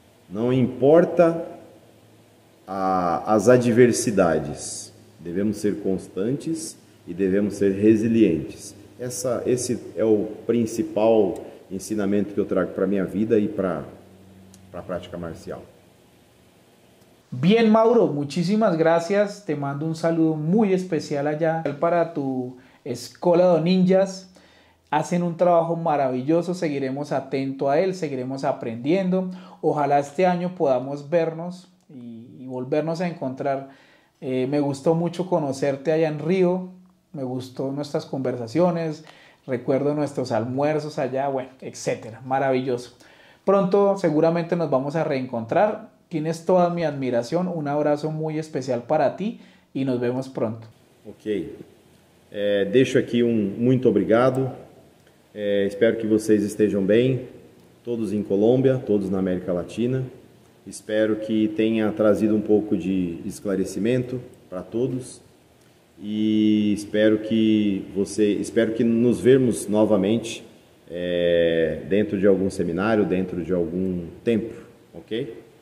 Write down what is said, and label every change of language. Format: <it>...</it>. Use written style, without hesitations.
<pt>Não importa as adversidades. Devemos ser constantes e devemos ser resilientes. Esse é o principal ensinamento que eu trago para a minha vida e para a prática marcial.</pt> <es>Bien, Mauro, muchísimas gracias. Te mando un saludo muy especial allá para tu escuela de ninjas. Hacen un trabajo maravilloso, seguiremos atento a él, seguiremos aprendiendo. Ojalá este año podamos vernos y volvernos a encontrar. Me gustó mucho conocerte allá en Río, me gustó nuestras conversaciones, Recuerdo nuestros almuerzos allá, bueno, etcétera. Maravilloso. Pronto, seguramente nos vamos a reencontrar. Tienes toda mi admiración. Un abrazo muy especial para ti y nos vemos pronto. Ok.</es> <pt>Deixo aqui um muito obrigado. Espero que vocês estejam bem, todos em Colômbia, todos na América Latina. Espero que tenha trazido um pouco de esclarecimento para todos e espero que nos vermos novamente dentro de algum seminário, dentro de algum tempo, ok?</pt>